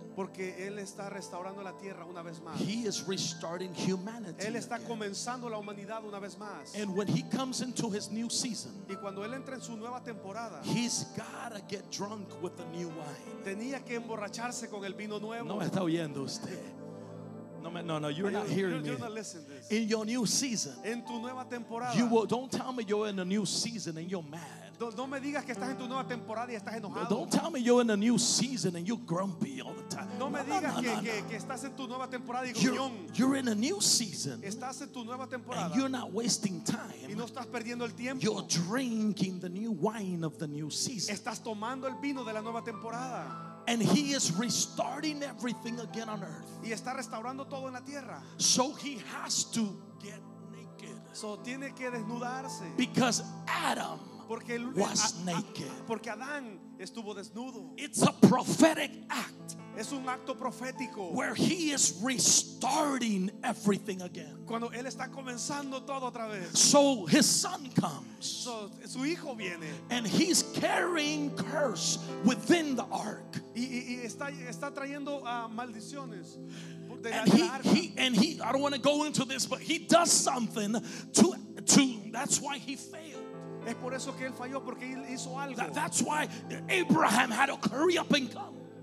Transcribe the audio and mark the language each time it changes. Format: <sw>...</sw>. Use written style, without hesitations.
<es>Porque él está restaurando la tierra una vez más.</es> <en>He is restarting humanity.</en> <es>Él está</es> <en>again.</en> <es>Comenzando la humanidad una vez más.</es> <en>And when he comes into his new season,</en> <es>y cuando él entra en su nueva temporada,</es> <en>he's gotta get drunk with the new wine.</en> <es>Tenía que emborracharse con el vino nuevo. No me está oyendo usted.</es> <en>No, you're not hearing me. In your new season,</en> <es>en tu nueva temporada,</es> <en>you will, don't tell me you're in a new season and you're mad.</en> <es>No me digas que estás en tu nueva temporada y estás enojado.</es> <en>Don't tell me you're in a new season and you're grumpy all the time.</en> <es>No me digas que estás en tu nueva temporada y gruñón.</es> <en>You're in a new season.</en> <es>Estás en tu nueva temporada.</es> <en>And you're not wasting time.</en> <es>Y no estás perdiendo el tiempo.</es> <en>You're drinking the new wine of the new season.</en> <es>Estás tomando el vino de la nueva temporada.</es> <en>And he is restarting everything again on earth.</en> <es>Y está restaurando todo en la tierra.</es> <en>So he has to get naked.</en> <es>So tiene que desnudarse.</es> <en>Because Adam was naked.</en> <es>Porque Adán estuvo desnudo.</es> <en>It's a prophetic act.</en> <es>Es un acto profético.</es> <en>Where he is restarting everything again.</en> <es>Cuando él está comenzando todo otra vez.</es> <en>So his son comes.</en> <es>So, su hijo viene.</es> <en>And he's carrying curse within the ark.</en> <es>Y está trayendo maldiciones.</es> <en>And he I don't want to go into this, but he does something to that's why he failed.</en> <es>Es por eso que él falló, porque él hizo algo.</es> <en>That's why Abraham had to hurry up and come.</en>